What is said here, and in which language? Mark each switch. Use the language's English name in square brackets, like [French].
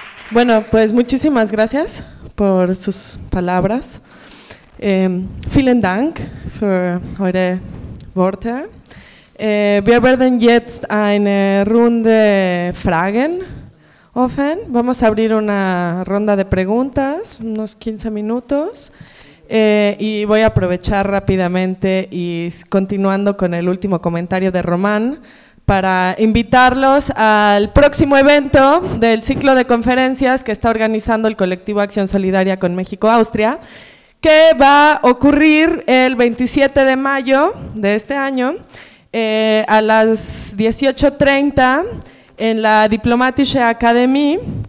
[Spanish] Bueno, pues muchísimas gracias por sus palabras. [German] Vielen Dank für eure Worte. Wir werden jetzt eine Runde Fragen offen. [Spanish] Vamos a abrir una ronda de preguntas, unos 15 minutos. Y voy a aprovechar rápidamente y continuando con el último comentario de Román, para invitarlos al próximo evento del ciclo de conferencias que está organizando el colectivo Acción Solidaria con México-Austria, que va a ocurrir el 27 de mayo de este año a las 18:30 en la Diplomatische Akademie.